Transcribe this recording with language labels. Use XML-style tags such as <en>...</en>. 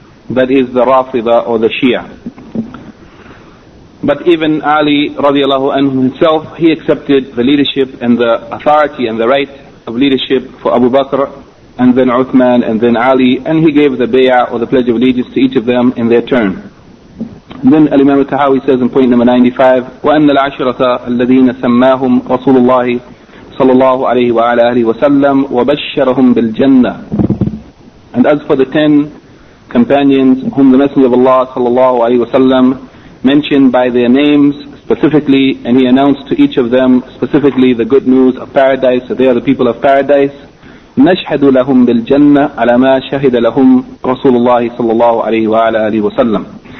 <en>That is the Rafida or the Shia. But even Ali radiallahu anhu himself, he accepted the leadership and the authority and the right of leadership for Abu Bakr, and then Uthman, and then Ali, and he gave the bay'ah or the pledge of allegiance to each of them in their turn. Then Al-Imam al-Tahawi says in point number 95,</en> <ar>وَأَنَّ الْعَشْرَةَ الَّذِينَ سَمَّاهُمْ رَسُولُ اللَّهِ صَلَى اللَّهُ عَلَيْهِ وَعَلَى أَهْلِهِ وَسَلَّمْ وَبَشَّرَهُمْ بِالْجَنَّةِ.</ar> <en>And as for the 10 companions whom the Messenger of Allah</en> <ar>صلى الله عليه وسلم</ar> <en>mentioned by their names specifically, and he announced to each of them specifically the good news of paradise, that they are the people of paradise.</en> <ar>نَشْهَدُ لَهُمْ بِالْجَنَّةِ عَلَى مَا شَهِدَ لَهُمْ رَسُولُ اللَّهِ صَلَى اللَّهُ عَلَيْهِ وَعَلَى أَهْلِهِ وَسَلَّمْ.</ar>